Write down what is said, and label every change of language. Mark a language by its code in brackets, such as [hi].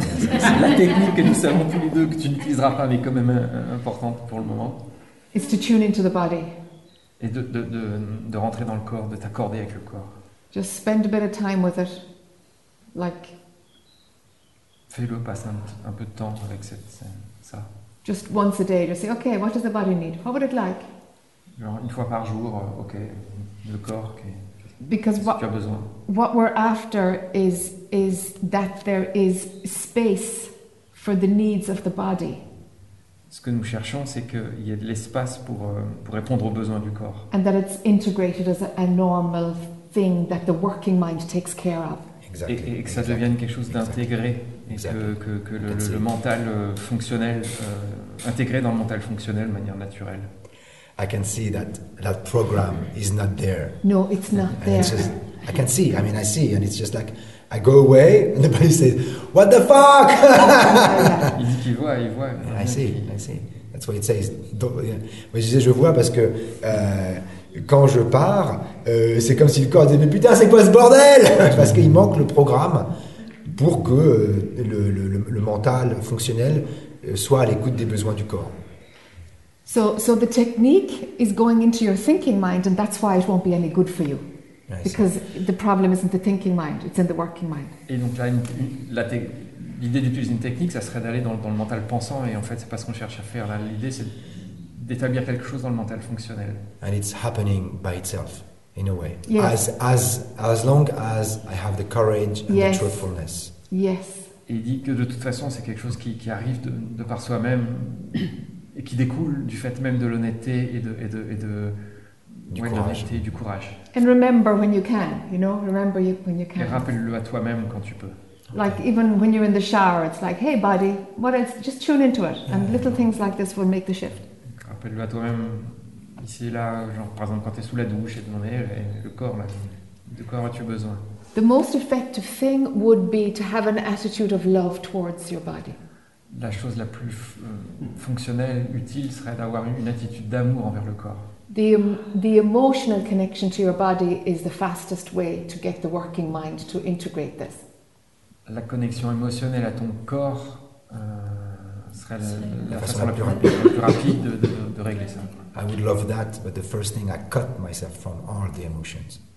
[fr] C'est la technique que nous savons tous les deux que tu n'utiliseras pas, mais quand même importante pour le moment. [en] Is to tune into the body. [fr] Et de rentrer dans le corps, de t'accorder avec le corps. [en] Just spend a bit of time with it, like. [fr] Fais-le passer un peu de temps avec ça. [en] Just once a day, just say, okay, what does the body need? What would it like? [fr] Genre une fois par jour, okay, le corps, okay. [en] Because [fr] qu'est-ce que tu as besoin? [en] What we're after is that there is space for the needs of the body. [fr] Ce que nous cherchons, c'est qu'il y ait de l'espace pour répondre aux besoins du corps. [en] And that it's integrated as a normal thing that the working mind takes care of. Exactly. [fr] Et que ça [en] exactly. [fr] devienne quelque chose d'intégré. [en] Exactly. [fr] Et que le mental fonctionnel, intégré dans le mental fonctionnel de manière naturelle. [en] I can see that program is not there. No, it's not there. It's just, I can see, I mean I see, and it's just like... I go away, and the body says, "What the fuck?" [fr] Il dit qu'il voit, il voit. Yeah, [en] I see. That's what it says. [fr] Mais je disais, je vois parce que quand je pars, c'est comme si le corps disait, mais putain, c'est quoi ce bordel? Parce qu'il manque le programme pour que le mental fonctionnel soit à l'écoute des besoins du corps. [en] So the technique is going into your thinking mind, and that's why it won't be any good for you. Because the problem isn't the thinking mind, it's in the working mind. [fr] Et donc là, l'idée d'utiliser une technique, ça serait d'aller dans le mental pensant, et en fait, c'est pas ce qu'on cherche à faire. Là, l'idée, c'est d'établir quelque chose dans le mental fonctionnel. [en] And it's happening by itself, in a way. Yes. As long as I have the courage and yes. the truthfulness. Yes. [fr] Et il dit que de toute façon, c'est quelque chose qui arrive de par soi-même, et qui découle du fait même de l'honnêteté et de Du courage. [en] And remember when you can, you know. Remember when you can. [fr] Et rappelle-le à toi-même quand tu peux. [en] Like okay. Even when you're in the shower, it's like, hey, body, what else? Just tune into it, yeah, and little things like this will make the shift. [fr] Rappelle-le à toi-même ici, là, genre par exemple quand t'es sous la douche et demander le corps, là, de quoi as-tu besoin? [en] The most effective thing would be to have an attitude of love towards your body. [fr] La chose la plus fonctionnelle, utile, serait d'avoir une attitude d'amour envers le corps. [en] The emotional connection to your body is the fastest way to get the working mind to integrate this. [fr] La connexion émotionnelle à ton corps serait la façon la plus rapide de régler ça. [en] I would love that, but the first thing I cut myself from are the emotions.